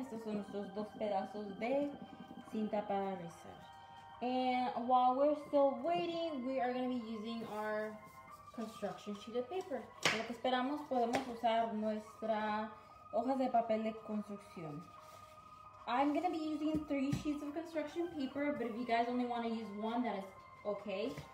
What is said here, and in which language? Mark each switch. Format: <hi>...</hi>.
<es>Estos son nuestros dos pedazos de cinta para rizar.</es> <en>And while we're still waiting, we are going to be using our construction sheet of paper.</en> <es>En lo que esperamos, podemos usar nuestra hojas de papel de construcción.</es> <en>I'm going to be using 3 sheets of construction paper, but if you guys only want to use one, that is okay.</en>